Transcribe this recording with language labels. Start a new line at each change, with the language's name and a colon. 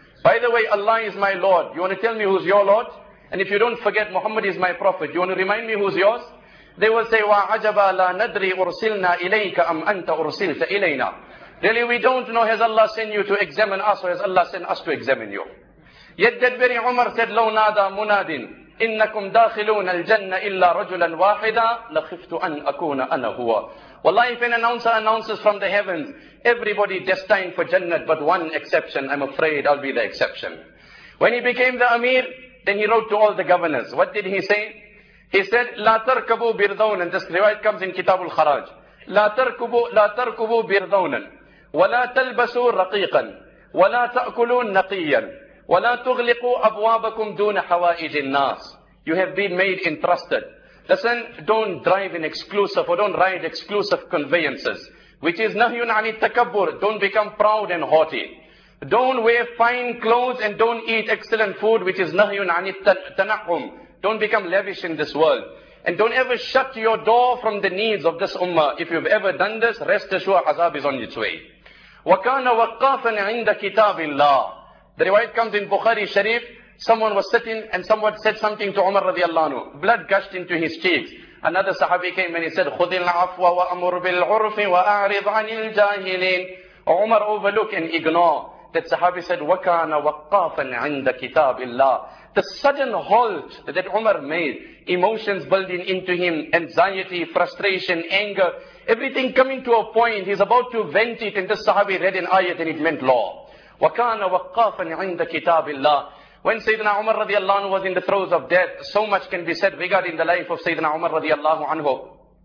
English: By the way, Allah is my Lord. You want to tell me who's your Lord? And if you don't forget, Muhammad is my Prophet. You want to remind me who's yours? They will say,
Arabic: wa ajaba la nadri ursilna ilayka am anta ursilta ilayna.
English: Really, we don't know, has Allah sent you to examine us, or has Allah sent us to examine you? Yet that very Umar said,
Arabic: لو نادى مناد إنكم داخلون الجنة إلا رجلا واحدا لخفت أن أكون أنا هو.
English: Wallahi, if an announcer announces from the heavens, everybody destined for Jannah, but one exception, I'm afraid I'll be the exception. When he became the Amir, then he wrote to all the governors. What did he say? He said,
Arabic: لا تركبوا بردون,
English: and this riwayat comes in Kitab al-Kharaj.
Arabic: لا تركبوا بردونا ولا تلبسوا رقيقا ولا تأكلوا نقيا ولا تغلقوا أبوابكم دون حوائج الناس.
English: You have been made entrusted. Listen, don't drive in exclusive or don't ride exclusive conveyances. Which is
Arabic: nahyun ani takabbur.
English: Don't become proud and haughty. Don't wear fine clothes and don't eat excellent food, which is
Arabic: nahyun ani tanakum.
English: Don't become lavish in this world. And don't ever shut your door from the needs of this ummah. If you've ever done this, rest assured, azab is on its way.
Arabic: وَكَانَ وَقَّافًا عِنْدَ كِتَابِ اللَّهِ.
English: The riwayat comes in Bukhari Sharif. Someone was sitting and someone said something to Umar radiallahu anhu. Blood gushed into his cheeks. Another sahabi came and he said,
Arabic: خُذِ الْعَفْوَ وَأَمُرْ بِالْعُرْفِ وَأَعْرِضْ عَنِ الْجَاهِلِينَ.
English: Umar overlook and ignore. That sahabi said,
Arabic: وَكَانَ وَقَّافًا عِنْدَ كِتَابِ اللَّهِ.
English: The sudden halt that Umar made, emotions building into him, anxiety, frustration, anger, everything coming to a point, he's about to vent it, and the sahabi read an ayat and it meant law.
Arabic: وَكَانَ وَقَّافًا عِنْدَ كِتَابِ اللَّهِ.
English: When Sayyidina Umar radiallahu anhu was in the throes of death, so much can be said regarding the life of Sayyidina Umar radiallahu anhu.